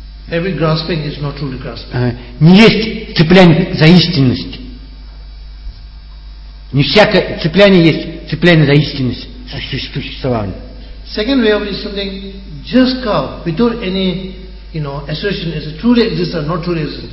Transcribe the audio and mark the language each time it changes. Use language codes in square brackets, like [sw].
[en] every grasping is not truly grasping. [ru] Не есть цепляние за истинность. Не всякое цепляние есть цепляние за истинность существования. [en] Second way of it is something just cow without any, you know, assertion is truly exist or not truly exist.